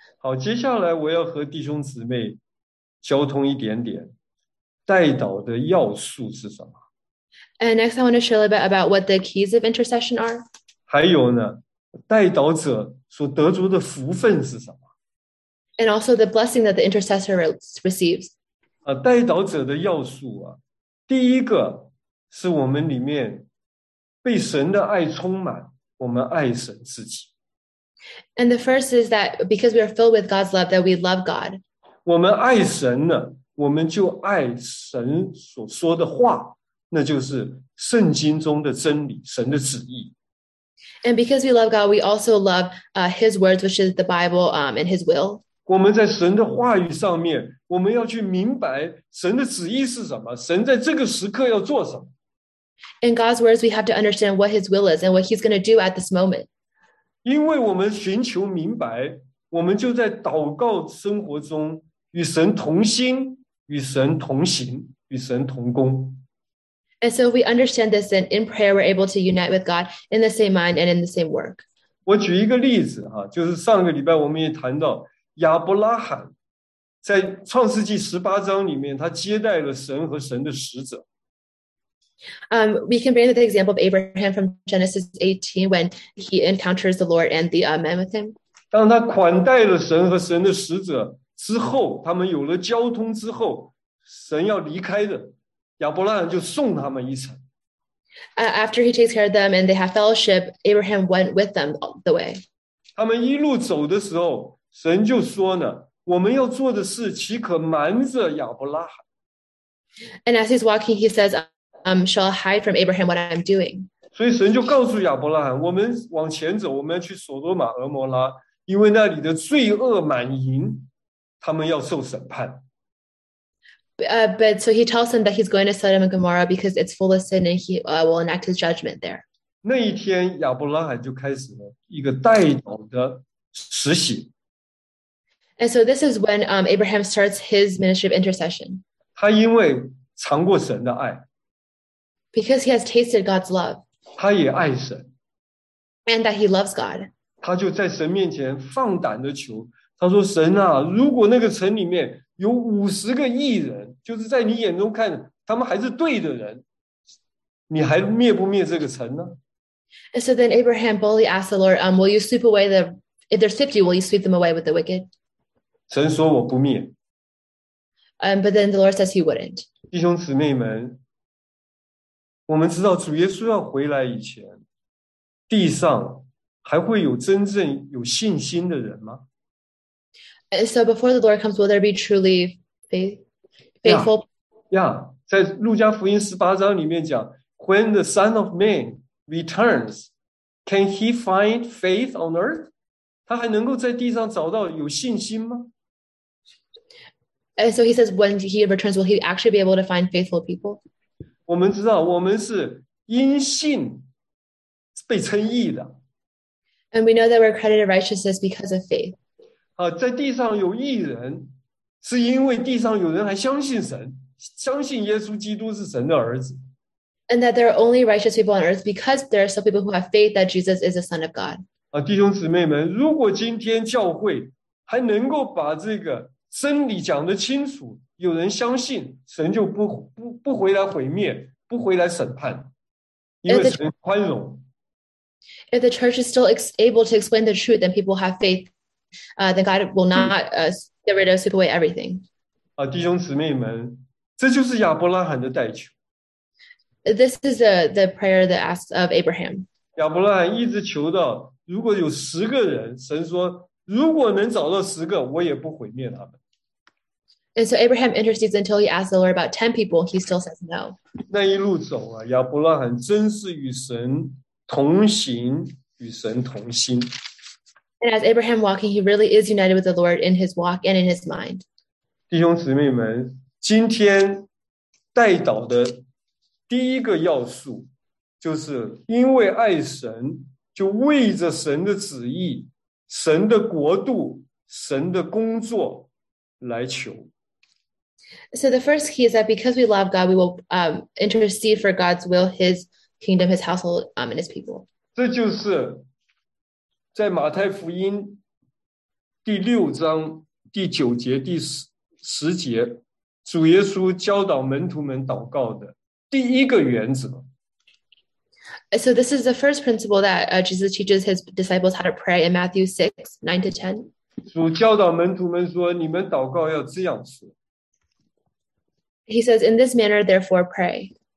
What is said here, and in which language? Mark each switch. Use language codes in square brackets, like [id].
[zh] 好，接下来我要和弟兄姊妹交通一点点，代祷的要素是什么？ [en] And next, I want to share a little bit about what the keys of intercession are. [zh] 还有呢，代祷者所得着的福分是什么？ [en] And also the blessing that the intercessor receives. [zh] 代祷者的要素啊，第一个是我们里面被神的爱充满，我们爱神自己。 [en] And the first is that because we are filled with God's love, that we love God. [zh] 我们爱神了，我们就爱神所说的话，那就是圣经中的真理，神的旨意。 [en] And because we love God, we also love His words, which is the Bible, and His will. [zh] 我们在神的话语上面，我们要去明白神的旨意是什么，神在这个时刻要做什么。 [en] In God's words, we have to understand what His will is and what He's going to do at this moment. [zh] 因为我们寻求明白，我们就在祷告生活中与神同心，与神同行，与神同工。 [en] And so if we understand this, then in prayer, we're able to unite with God in the same mind and in the same work. [zh] 我举一个例子，就是上个礼拜我们也谈到亚伯拉罕在创世纪十八章里面，他接待了神和神的使者。 [en] We can bring the example of Abraham from Genesis 18 when he encounters the Lord and the man with him. [zh] 当他款待了神和神的使者之后，他们有了交通之后，神要离开的，亚伯拉罕就送他们一程。 [en] After he takes care of them and they have fellowship, Abraham went with them all the way. [zh] 他们一路走的时候，神就说呢，我们要做的事岂可瞒着亚伯拉罕。 [en] And as he's walking, he says,shall hide from Abraham what I'm doing. [zh] 所以神就告诉亚伯拉罕，我们往前走，我们要去索多玛、俄摩拉，因为那里的罪恶满盈，他们要受审判。 [en] But so he tells him that he's going to Sodom and Gomorrah because it's full of sin and he will enact his judgment there. [zh] 那一天亚伯拉罕就开始了一个代祷的实习。 [en] And so this is when Abraham starts his ministry of intercession. [zh] 他因为尝过神的爱。 [en] Because he has tasted God's love. [zh] 他也爱神。 [en] And that he loves God. [zh] 他就在神面前放胆的求。他说，神啊，如果那个城里面有五十个义人，就是在你眼中看，他们还是对的人，你还灭不灭这个城呢？ [en] And so then Abraham boldly asked the Lord, will you sweep away the, if there's 50, will you sweep them away with the wicked? [zh] 神说我不灭。 [en] But then the Lord says he wouldn't. [zh] 弟兄姊妹们，我们知道主耶稣要回来以前，地上还会有真正有信心的人吗？ [en] So before the Lord comes, will there be truly faithful? Yeah, [zh] 在路加福音十八章里面讲， [en] When the Son of Man returns, can he find faith on earth? [zh] 他还能够在地上找到有信心吗？ [en] And so he says, when he returns, will he actually be able to find faithful people? [zh] 我们知道我们是因信被称义的。 [en] And we know that we're credited righteousness because of faith. [zh] 在地上有义人是因为地上有人还相信神，相信耶稣基督是神的儿子。 [en] And that there are only righteous people on earth because there are some people who have faith that Jesus is the Son of God. [zh] 弟兄姊妹们，如果今天教会还能够把这个真理讲得清楚，有人相信神就 不回来毁灭，不回来审判，因为神宽容。 [en] If the church is still able to explain the truth, then people have faith, then God will not get rid of, sweep away everything. [zh] 弟兄姊妹们，这就是亚伯拉罕的代求。 [en] This is the prayer that asks of Abraham. [zh] 亚伯拉罕一直求到，如果有十个人，神说，如果能找到十个，我也不毁灭他们。 [en] And so Abraham intercedes until he asks the Lord about 10 people. He still says no. [zh] 那一路走啊，亚伯拉罕真是与神同行，与神同心。 [en] And as Abraham walking, he really is united with the Lord in his walk and in his mind. [zh] 弟兄姊妹们，今天代祷的第一个要素，就是因为爱神，就为着神的旨意、神的国度、神的工作来求。 [en] So the first key is that because we love God, we will intercede for God's will, His kingdom, his household, and his people. [zh] 这就是在马太福音第六章第九节第 十节主耶稣教导门徒们祷告的第一个原则。 [en] So this is the first principle that Jesus teaches his disciples how to pray in Matthew 6, 9 to 10. [zh] 主教导门徒们说你们祷告要这样说。 [en] He says, in this manner, therefore, pray.